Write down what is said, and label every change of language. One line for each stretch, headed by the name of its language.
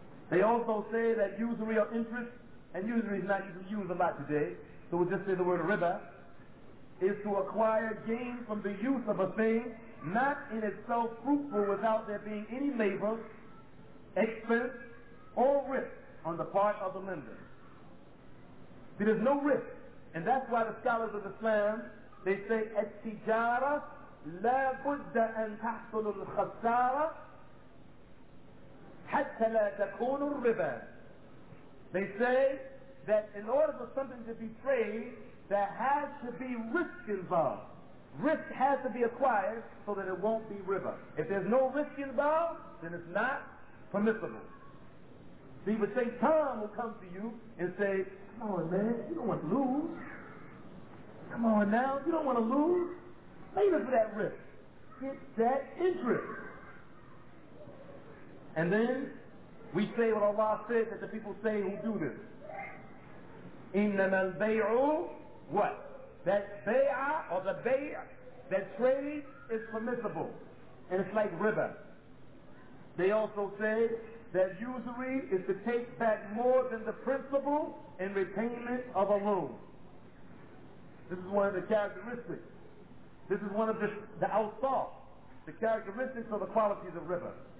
English: They also say that usury or interest, and usury is not usually used a lot today, so we'll just say the word riba, is to acquire gain from the use of a thing not in itself fruitful without there being any labor, expense, or risk on the part of the lender. There is no risk. And that's why the scholars of Islam, they say,
Arabic: التجارة لا بد أن تحصل الخسارة حتى لا تكون الربا.
English: They say that in order for something to be trade, there has to be risk involved. Risk has to be acquired so that it won't be riba. If there's no risk involved, then it's not permissible. See, but Shaitan will come to you and say, come on, man, you don't want to lose. Come on now, you don't want to lose. Labor for that risk. Get that interest. And then we say what Allah said that the people say who do this.
Arabic: إنما البيع
English: what? That bay'ah or the bay'ah, that trade is permissible. And it's like riba. They also say that usury is to take back more than the principal in repayment of a loan. This is one of the characteristics. This is one of the outsaw, the characteristics or the qualities of riba.